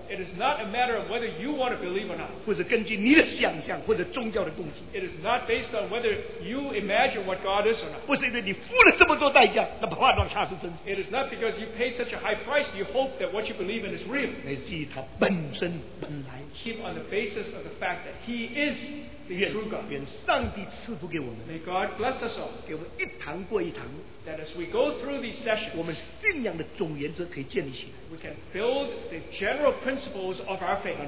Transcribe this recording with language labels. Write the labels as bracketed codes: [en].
[en] it is not a matter of whether you want to believe or not, [zh] 或者根据你的想象, 或者宗教的动机, [en] it is not based on whether you imagine what God is or not, [zh] 不是因为你付了这么多代价, 那怕他是真实, [en] it is not because you pay such a high price you hope that what you believe in is real. [zh] 乃至于他本身, [en] keep on the basis of the fact that he is the [zh] 愿, [en] true God. [zh] 愿上帝赐福给我们, [en] may God bless us all. [zh] 给我们一堂过一堂, [en] that as we go through these sessions, we can build the general principles of our faith.